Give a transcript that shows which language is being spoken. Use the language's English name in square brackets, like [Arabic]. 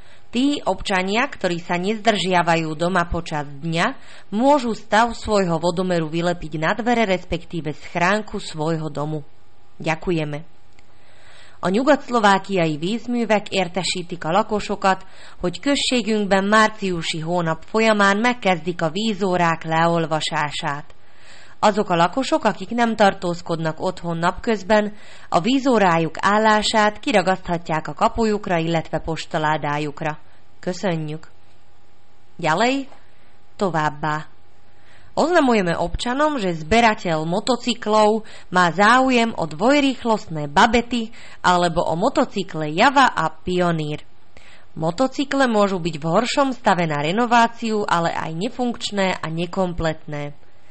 [Slovak] Tí občania, ktorí sa nezdržiavajú doma počas dňa, môžu stav svojho vodomeru vylepiť na dvere, respektíve schránku svojho domu. Ďakujeme. [Hungarian] A nyugat-szlovákiai vízművek értesítik a lakosokat, hogy községünkben márciusi hónap folyamán megkezdik a vízórák leolvasását. Azok a lakosok, akik nem tartózkodnak otthon napközben, a vízórájuk állását kiragaszthatják a kapujukra, illetve postaládájukra. Köszönjük! [Slovak] Ďalej, [Hungarian] továbbá! [Slovak] Oznamujeme občanom, že zberateľ motocyklov má záujem o dvojrýchlostné Babety alebo o motocykle Java a Pionír. Motocykle môžu byť v horšom stave na renováciu, ale aj nefunkčné a nekompletné.